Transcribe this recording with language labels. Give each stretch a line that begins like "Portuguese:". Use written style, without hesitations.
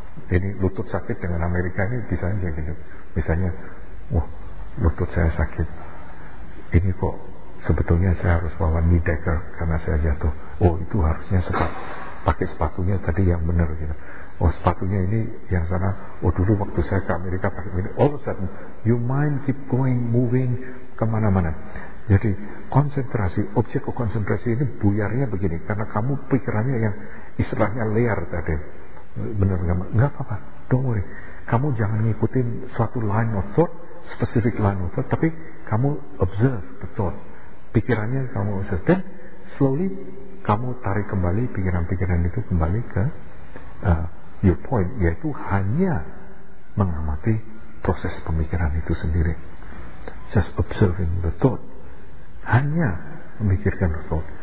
Indonesian: Ini lutut sakit dengan Amerika ini bisa aja gitu. Misalnya, wah lutut saya sakit. Ini kok sebetulnya saya harus bawa knee decker karena saya jatuh. Oh itu harusnya sepatu, pakai sepatunya tadi yang benar gitu. Oh sepatunya ini yang sana. Oh dulu waktu saya ke Amerika pakai ini.
English: All of a sudden, your mind keep going, moving
Indonesian: kemana-mana. Jadi konsentrasi, objek konsentrasi ini buyarnya begini karena kamu pikirannya yang istilahnya liar tadi. Benar enggak apa-apa,
English: don't worry.
Indonesian: Kamu jangan ngikutin suatu
English: line of thought, specific line of thought,
Indonesian: tapi kamu
English: observe the thought.
Indonesian: Pikirannya kamu observe,
English: then slowly
Indonesian: kamu tarik kembali pikiran-pikiran itu kembali ke
English: your point,
Indonesian: yaitu hanya mengamati proses pemikiran itu sendiri.
English: Just observing the thought.
Indonesian: Hanya memikirkan
English: thought.